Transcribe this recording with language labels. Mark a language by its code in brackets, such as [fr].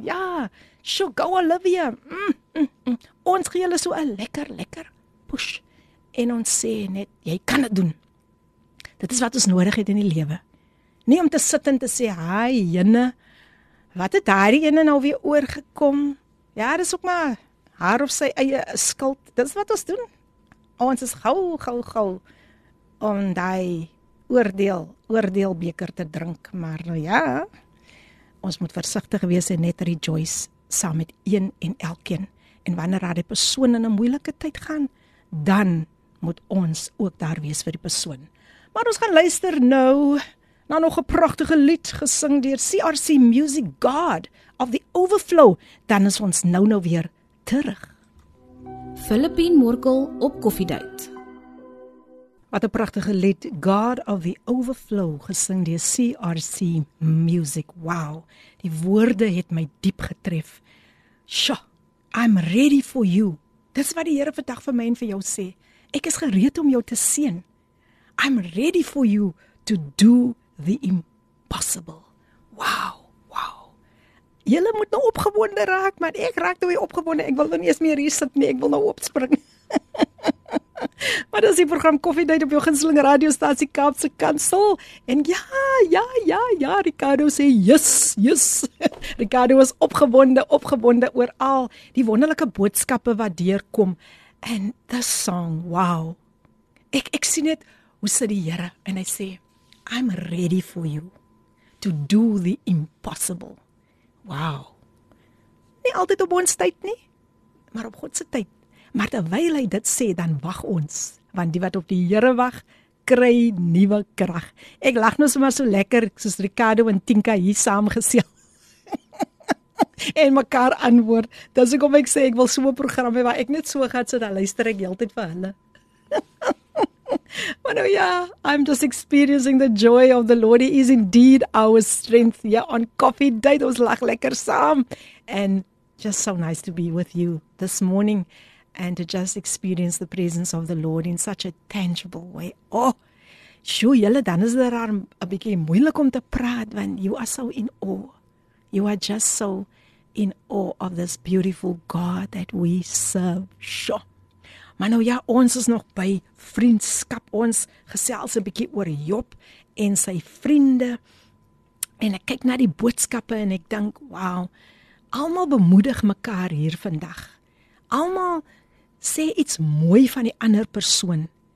[af] Ja, sure, go Olivia. Ons gee hulle so 'n lekker push. En ons sê net, jy kan dit doen. Dit is wat ons nodig het in die lewe. Nie om te sit en te sê, "Haai, jene, wat het daardie ene nou weer oorgekom?" Ja, dis ook maar haar of sy eie skuld. Dis wat ons doen. Ons is gou om daai oordeel beker te drink, maar nou ja, ons moet versigtig wees en net rejoice saam met een en elkeen. En wanneer daai persoon in 'n moeilike tyd gaan, dan moet ons ook daar wees vir die persoon. Maar ons gaan luister nou nou nog 'n pragtige lied gesing deur CRC Music, God of the Overflow. Dan is ons nou weer terug. Filippine Morkel op Koffiedate. Wat 'n pragtige lied, God of the Overflow, gesing deur CRC Music. Wow, die woorde het my diep getref. Sjoe, I'm ready for you. Dis wat die Here vandag vir my en vir jou sê. Ek is gereed om jou te seën. [en] I'm ready for you to do the impossible. Wow. [af] Julle moet nou opgewonde raak, maar ek raak nou weer opgewonde. Ek wil nou nie eens meer hier sit nie, ek wil nou opspring. Maar dis die program Koffiedייט op jou gunsteling radiostasie Kaapse Kansel. En ja, Ricardo sê yes. Ricardo was opgewonde oor al die wonderlike boodskappe wat deurkom. [en] And this song, wow. Ek sien net hoe sit die Here en hy sê, I'm ready for you to do the impossible. Wow. [af] Nie altyd op ons tyd nie, maar op God se tyd. Maar terwyl hy dit sê, dan wag ons, want die wat op die Here wag, kry nuwe krag. Ek lag nou sommer so lekker soos Ricardo en Tinka hier saamgesit. En mekaar antwoord. Dis hoekom ek sê ek wil so 'n program hê waar ek net so gaan sit en luister ek heeltyd vir hulle. [en] Maar nou ja, I'm just experiencing the joy of the Lord. He is indeed our strength. Ja, on Coffee Date, ons lag lekker saam. And just so nice to be with you this morning and to just experience the presence of the Lord in such a tangible way. [af] Oh, sjoe, julle, dan is dit 'n bietjie moeilik om te praat, want you are so in awe. You are just so in awe of this beautiful God that we serve. [en] Sure. [af] Maar nou ja, ons is nog by vriendskap. Ons gesels 'n bietjie oor Job en sy vriende. En ek kyk na die boodskappe en ek dink, wow, almal bemoedig mekaar hier vandag. Almal sê iets mooi van die ander persoon.